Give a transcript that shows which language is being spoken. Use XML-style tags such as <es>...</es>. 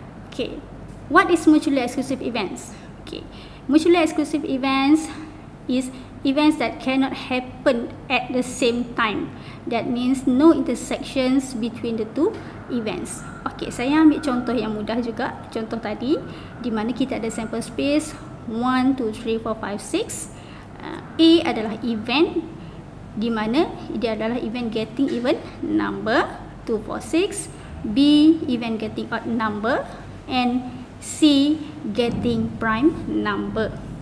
<en>Okay, what is mutually exclusive events? Okay, mutually exclusive events is events that cannot happen at the same time. That means no intersections between the two events.</en> <ms>Okay, saya ambil contoh yang mudah juga. Contoh tadi, di mana kita ada sample space 1, 2, 3, 4, 5, 6. A adalah event, di mana dia adalah event getting even number 2, 4, 6.</ms> <en>B, event getting odd number. And C, getting prime number.</en>